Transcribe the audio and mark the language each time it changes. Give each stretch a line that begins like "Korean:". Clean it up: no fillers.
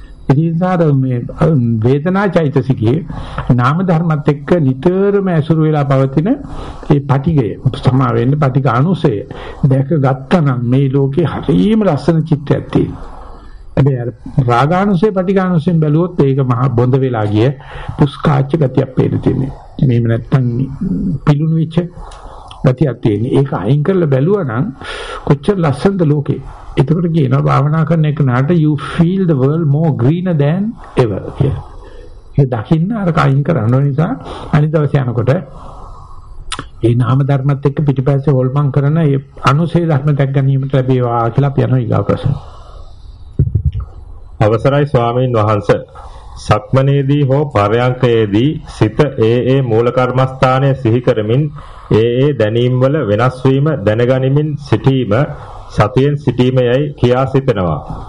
Sinhala: දීසාරමේ වේදනා චෛතසිකේ නාම ධර්මත් එක්ක නිතරම ඇසුරු වෙලා පවතින ඒ පටිගය සමා වෙන්නේ පටිග අනුසය දැක ගත්තනම් මේ ලෝකේ හරිම ලස්සන චිත්තයක් තියෙනවා. හැබැයි අර රාගානුසය පටිග අනුසයෙන් බැලුවොත් ඒක මහා බොඳ වෙලා ගිය පුස්කාච්ච ගතියක් පේන තියෙනවා. මේව නැත්තම් පිලුණු වෙච්ච ගතියක් තියෙනවා. ඒක අයින් කරලා බැලුවනම් කොච්චර ලස්සනද ලෝකේ. එතකොට කියනවා භාවනා කරන එක නට
English: you feel the world more greener than ever
Sinhala: කියලා. ඒ දකින්න අර කයින් කරන නිසා අනිත් දවසේ යනකොට ඒ නාම ධර්මත් එක්ක පිටිපස්සේ හොල්මන් කරන ඒ අනුසේ ධර්ම දැක් ගැනීමට ලැබේවා කියලා අපි යනවා ඊගා ප්‍රශ්න. අවසරයි ස්වාමීන් වහන්ස. සක්මනේදී හෝ පරයන්කේදී සිත ඒ මූල කර්මස්ථානය සිහි කරමින් ඒ දැනීම් වල වෙනස් වීම දැනගනිමින් සිටීම සතියෙන් සිටීමයයි කියා සිටනවා.